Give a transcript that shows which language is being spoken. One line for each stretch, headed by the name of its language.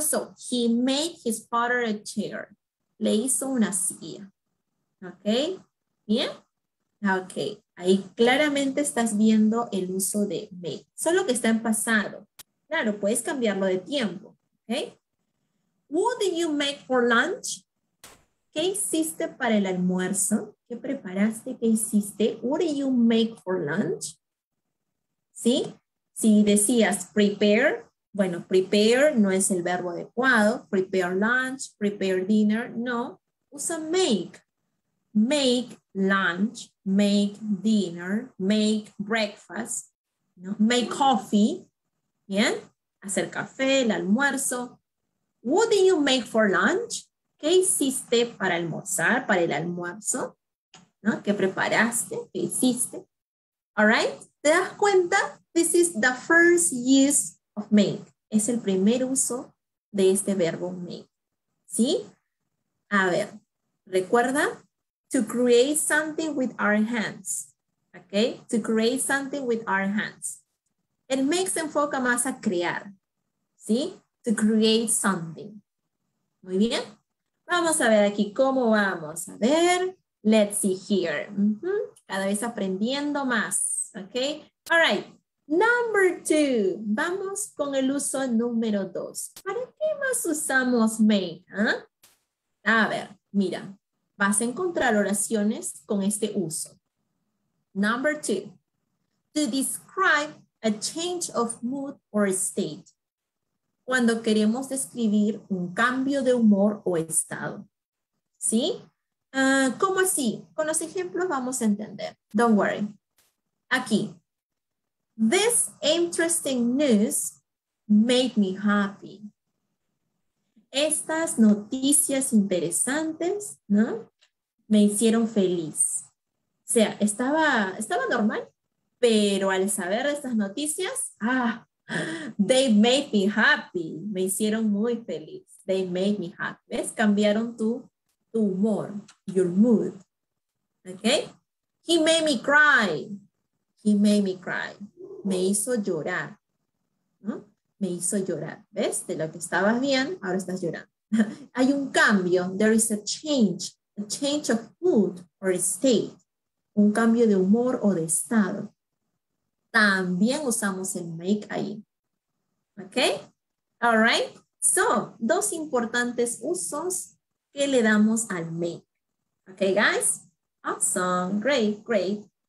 English: So, he made his father a chair.
Spanish: Le hizo una silla. ¿Ok? ¿Bien? Ok. Ahí claramente estás viendo el uso de make. Solo que está en pasado. Claro, puedes cambiarlo de tiempo, ¿ok?
English: What did you make for lunch?
Spanish: ¿Qué hiciste para el almuerzo? ¿Qué preparaste? ¿Qué hiciste?
English: What did you make for lunch?
Spanish: ¿Sí? Si decías prepare, bueno, prepare no es el verbo adecuado.
English: Prepare lunch, prepare dinner, no. Usa make. Make lunch, make dinner, make breakfast, ¿no? Make coffee.
Spanish: Bien, hacer café, el almuerzo.
English: What did you make for lunch?
Spanish: ¿Qué hiciste para almorzar, para el almuerzo? ¿no? Que preparaste, que hiciste.
English: All right?
Spanish: ¿Te das cuenta?
English: This is the first use of make.
Spanish: Es el primer uso de este verbo make. ¿Sí? A ver, recuerda,
English: to create something with our hands. ¿Ok? To create something with our hands.
Spanish: El make se enfoca más a crear. ¿Sí?
English: To create something.
Spanish: Muy bien. Vamos a ver aquí cómo vamos. A ver,
English: let's see here.
Spanish: Cada vez aprendiendo más. ¿Ok?
English: All right. Number two.
Spanish: Vamos con el uso número dos. ¿Para qué más usamos make? A ver, mira. Vas a encontrar oraciones con este uso.
English: Number two. To describe a change of mood or state.
Spanish: Cuando queremos describir un cambio de humor o estado. ¿Sí? ¿Cómo así? Con los ejemplos vamos a entender.
English: Don't worry. Aquí. This interesting news made me happy.
Spanish: Estas noticias interesantes, ¿no? Me hicieron feliz. O sea, estaba normal, pero al saber estas noticias,
English: they made me happy.
Spanish: Me hicieron muy feliz.
English: They made me happy.
Spanish: ¿Ves? Cambiaron tu humor,
English: your mood.
Spanish: Okay?
English: He made me cry. He made me cry.
Spanish: Me hizo llorar, ¿no? Me hizo llorar.
English: ¿Ves?
Spanish: De lo que estabas bien, ahora estás llorando. Hay un cambio.
English: There is a change of mood or state.
Spanish: Un cambio de humor o de estado. También usamos el make ahí. ¿Ok?
English: All right.
Spanish: So, dos importantes usos que le damos al make. ¿Ok, guys?
English: Awesome. Great, great.